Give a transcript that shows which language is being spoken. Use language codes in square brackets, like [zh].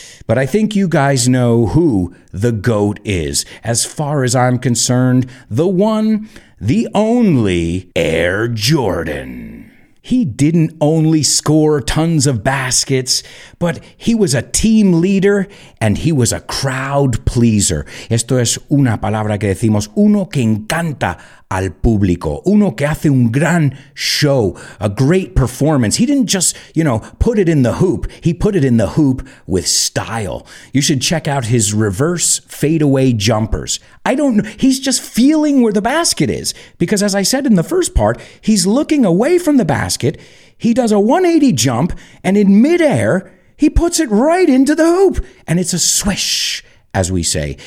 [en] But I think you guys know who the GOAT is. As far as I'm concerned, the one, the only, Air Jordan. He didn't only score tons of baskets, but he was a team leader and he was a crowd pleaser. [es] Esto es una palabra que decimos, uno que encanta al público, uno que hace un gran show, [en] a great performance. He didn't just, you know, put it in the hoop. He put it in the hoop with style. You should check out his reverse fadeaway jumpers. I don't know. He's just feeling where the basket is because, as I said in the first part, he's looking away from the basket. He does a 180 jump and in midair, he puts it right into the hoop and it's a swish, as we say.